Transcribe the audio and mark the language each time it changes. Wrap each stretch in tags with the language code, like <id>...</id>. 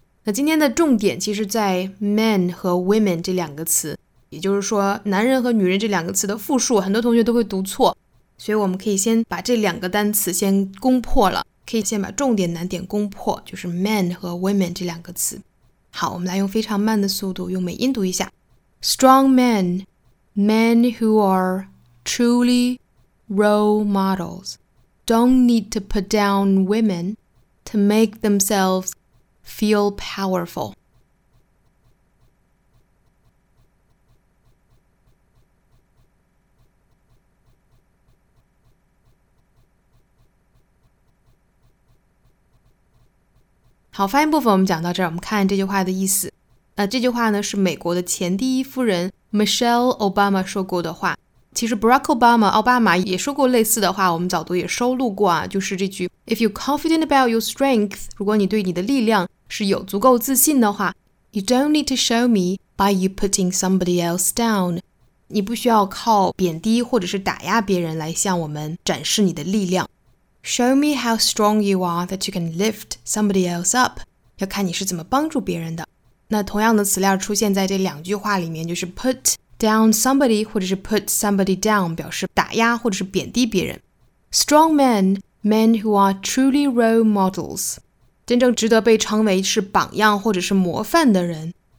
<zh>那今天的重点其实在 men 和 women 这两个词，也就是说男人和女人这两个词的复数，很多同学都会读错，所以我们可以先把这两个单词先攻破了，可以先把重点难点攻破，就是 men 和 women 这两个词。好，我们来用非常慢的速度用美音读一下。</zh> <en>Strong men, men who are truly role models, don't need to put down women to make themselves feel powerful.</en> <zh>Okay, 发音部分我们讲到这儿，我们看这句话的意思。这句话呢是美国的前第一夫人 Michelle Obama 说过的话。其实 Barack Obama 奥巴马也说过类似的话，我们早读也收录过啊，就是这句</zh> <en>If you're confident about your strength,</en> <zh>如果你对你的力量是有足够自信的话，</zh> <en>You don't need to show me by you putting somebody else down.</en> <zh>你不需要靠贬低或者是打压别人来向我们展示你的力量。</zh> <en>Show me how strong you are that you can lift somebody else up.</en> <zh>要看你是怎么帮助别人的。那同样的词料出现在这两句话里面，就是</zh> <en>put down somebody</en> <zh>或者是</zh> <en>put somebody down，</en> <zh>表示打压或者是贬低别人。</zh> <en>Strong men, men who are truly role models，</en> <zh>真正值得被称为是榜样或者是模范的人。</zh>